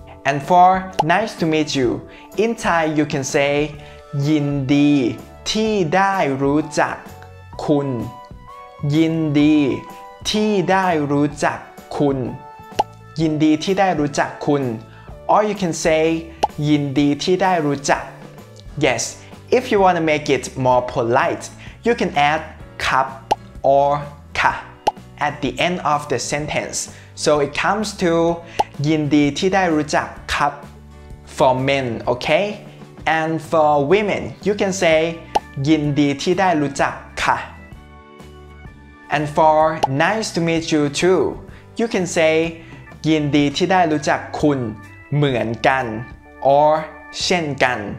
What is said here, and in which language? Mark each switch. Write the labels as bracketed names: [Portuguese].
[English] And for nice to meet you, in Thai you can say [Thai] ยินดีที่ได้รู้จักคุณ. ยินดีที่ได้รู้จักคุณ. ยินดีที่ได้รู้จักคุณ. [English] Or you can say [Thai] ยินดีที่ได้รู้จัก. [English] Yes, if you want to make it more polite,You can add cup or ka at the end of the sentence. So it comes to [Thai] ยินดีที่ได้รู้จักครับ [English] for men, okay? And for women, you can say [Thai] ยินดีที่ได้รู้จักค่ะ. [English] And for nice to meet you too, you can say [Thai] ยินดีที่ได้รู้จักคุณเหมือนกัน [English] or [Thai] เช่นกัน.